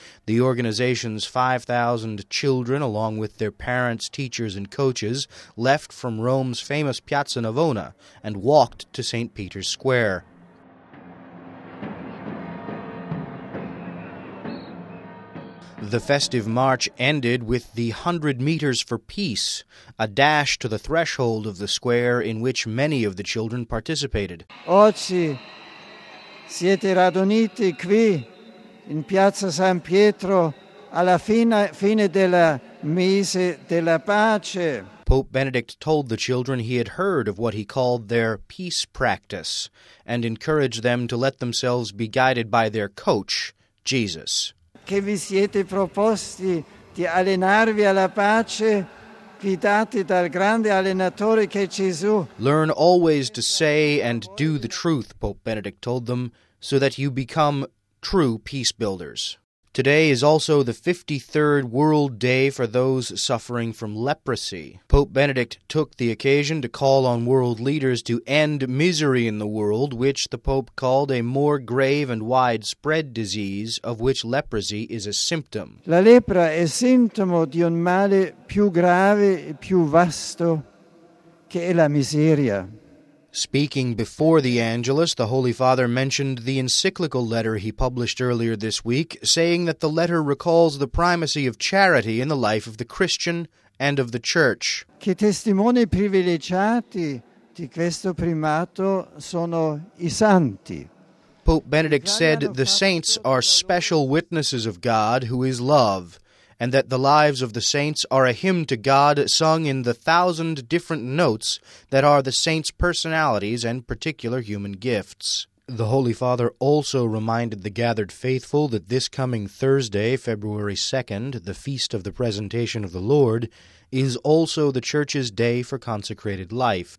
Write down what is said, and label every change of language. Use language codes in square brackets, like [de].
[en] The organization's 5,000 children, along with their parents, teachers, and coaches, left from Rome's famous Piazza Navona and walked to St. Peter's Square. The festive march ended with the 100 meters for peace, a dash to the threshold of the square in which many of the children participated. [it] Oggi siete raduniti qui in Piazza San Pietro alla fine della mese della pace. [en] Pope Benedict told the children he had heard of what he called their peace practice and encouraged them to let themselves be guided by their coach, Jesus. [it] Che vi siete proposti di allenarvi alla pace? Guidati dal grande allenatore che è Gesù. [en] Learn always to say and do the truth, Pope Benedict told them, so that you become true peace builders. Today is also the 53rd World Day for those suffering from leprosy. Pope Benedict took the occasion to call on world leaders to end misery in the world, which the Pope called a more grave and widespread disease, of which leprosy is a symptom. [it] La lepra è sintomo di un male più grave e più vasto che è la miseria. [en] Speaking before the Angelus, the Holy Father mentioned the encyclical letter he published earlier this week, saying that the letter recalls the primacy of charity in the life of the Christian and of the Church. [it] Che testimoni privilegiati di questo primato sono i santi. [en] Pope Benedict said the saints are special witnesses of God, who is love, and that the lives of the saints are a hymn to God sung in the thousand different notes that are the saints' personalities and particular human gifts. The Holy Father also reminded the gathered faithful that this coming Thursday, February 2nd, the Feast of the Presentation of the Lord, is also the Church's Day for Consecrated Life.